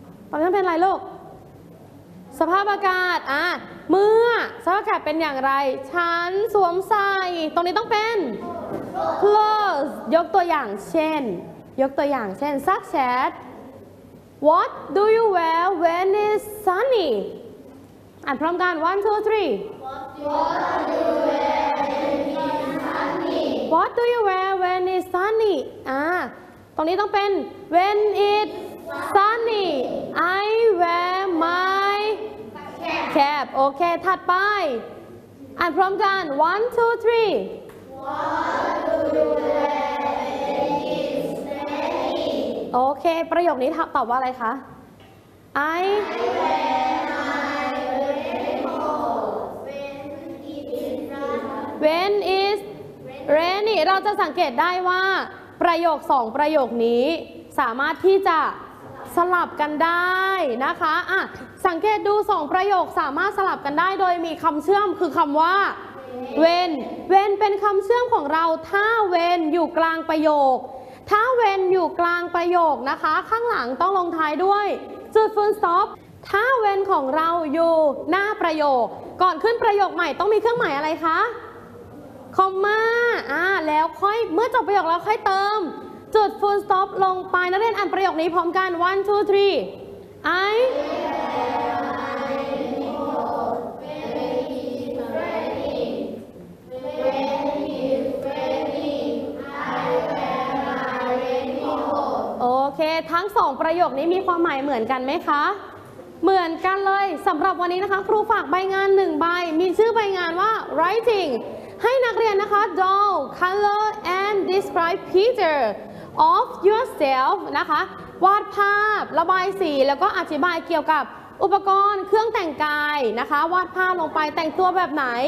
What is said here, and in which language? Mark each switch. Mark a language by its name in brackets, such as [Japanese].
[Thai] ตอนนี้ต้องเป็นอะไรลูกสภาพอากาศเมื่อสภาพอากาศเป็นอย่างไรฉันสวมใส่ตรงนี้ต้องเป็น clothes ยกตัวอย่างเช่นยกตัวอย่างเช่น [English] such as what do you wear when it's sunny [Thai] อ่านพร้อมกัน 1 2 3 [English] what do you wear when it's sunny what do you wear when it's sunny [Thai] ตรงนี้ต้องเป็น [English] when it's sunny I wear my cap [Thai] โอเคถัดไปอ่านพร้อมกัน 1 2 3 [English] what do you wear when it's sunny [Thai] โอเคประโยคนี้ตอบว่าอะไรคะ [English] I wear my raincoat when it's rainy [Thai] เราจะสังเกตได้ว่าประโยค2ประโยคนี้สามารถที่จะสลับกันได้นะคะสังเกตดู2ประโยคสามารถสลับกันได้โดยมีคำเชื่อมคือคำว่า when when เป็นคำเชื่อมของเราถ้า when อยู่กลางประโยคถ้า when อยู่กลางประโยคนะคะข้างหลังต้องลงท้ายด้วยจุด full stop ถ้า when ของเราอยู่หน้าประโยคก่อนขึ้นประโยคใหม่ต้องมีเครื่องหมายอะไรคะคอมม่าแล้วค่อยเมื่อจบประโยคแล้วค่อยเติมจุด full stop ลงไปนักเรียนอ่านประโยคนี้พร้อมกัน 1 2 3 [English] I wear my raincoat when it's raining when it's raining I wear my raincoat [Thai] โอเคทั้ง2ประโยคนี้มีความหมายเหมือนกันไหมคะเหมือนกันเลยสำหรับวันนี้นะคะครูฝากใบงาน1ใบมีชื่อใบงานว่า writingให้นักเรียนนะคะ [English] draw color and describe picture of yourself [Thai] นะคะวาดภาพระบายสีแล้วก็อธิบายเกี่ยวกับอุปกรณ์เครื่องแต่งกายนะคะวาดภาพลงไปแต่งตัวแบบไหน